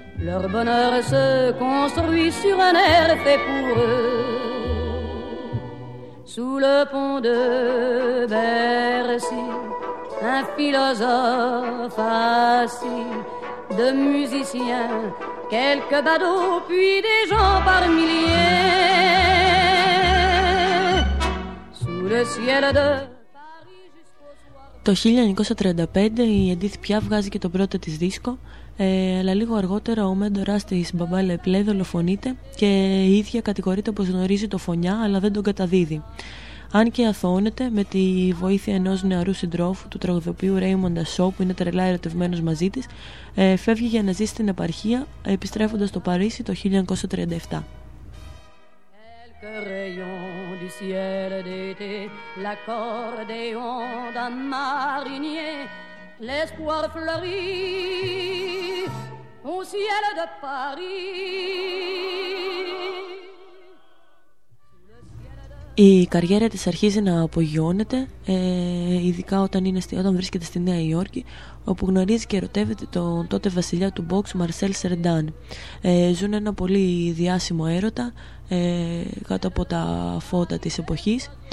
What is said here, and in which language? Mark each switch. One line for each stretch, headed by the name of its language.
French: Leur bonheur se construit sur un air fait pour eux, sous le pont de Bercy, un philosophe assis, deux musiciens, quelques badauds, puis des gens par milliers, sous le ciel de...
Greek: Το 1935 η Edith Piaf βγάζει και τον πρώτο της δίσκο, αλλά λίγο αργότερα ο μέντορας της, μπαμπά Leplay, δολοφονείται και η ίδια κατηγορείται πως γνωρίζει το φωνιά αλλά δεν τον καταδίδει. Αν και αθώνεται με τη βοήθεια ενός νεαρού συντρόφου, του τραγουδοποιού Raymond Dassault, που είναι τρελά ερωτευμένος μαζί της, φεύγει για να ζει στην επαρχία, επιστρέφοντας στο Παρίσι το 1937.
French: Rayons du ciel d'été, l'accordéon d'un marinier, l'espoir fleurit au ciel de Paris.
Greek: Η καριέρα της αρχίζει να απογειώνεται, ειδικά όταν βρίσκεται στη Νέα Υόρκη, όπου γνωρίζει και ερωτεύεται τον τότε βασιλιά του box, Μαρσέλ Σερντάν. Ζουν ένα πολύ διάσημο έρωτα, κάτω από τα φώτα της εποχής.